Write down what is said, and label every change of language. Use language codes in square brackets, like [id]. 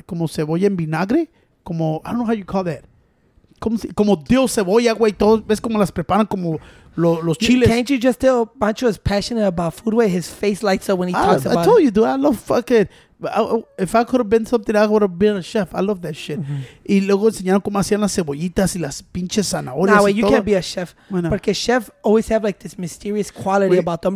[es] Como cebolla en vinagre. Como, [en] I don't know how you call that. [es] Como dill cebolla, güey. ¿Ves cómo las preparan como los chiles? [en] Can't you just tell Pancho is passionate about food, where his face lights up when he talks about it? I told you, dude. I love fucking... If I could have been something, I would have been a chef. I love that shit. [es] Y luego enseñaron cómo hacían las cebollitas y las pinches zanahorias. [en] Nah, wait, you can't be a chef. [es] Bueno. Porque [en] chef always have like this mysterious quality about them.